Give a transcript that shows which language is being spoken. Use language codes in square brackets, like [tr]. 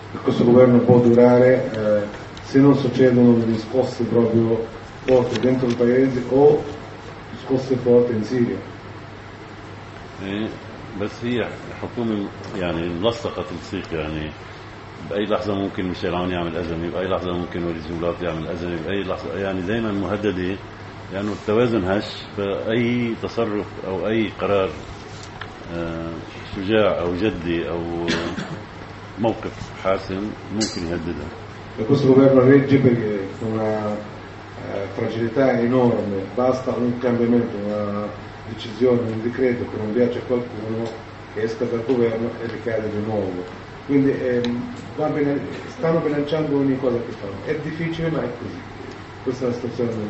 [it] Questo governo può durare se non succedono degli scossi proprio forti dentro il paese o scosse forti in Siria. [ar] بس هي حكومة يعني ملصقة تلصيق يعني بأي لحظة ممكن ميشيل عون يعمل أزمة بأي لحظة ممكن وليد زولات يعمل أزمة بأي لحظة يعني دائما مهددة لأنه يعني التوازن هش فأي تصرف أو أي قرار شجاع أو جدي أو موقف حاسم ممكن يهددها [it] questo governo regge con una fragilità enorme basta un cambiamento una decisione un decreto che non piace a qualcuno che esca dal governo e ricade di nuovo quindi va bene, stanno bilanciando ogni cosa che fanno è difficile ma è così questa è la situazione del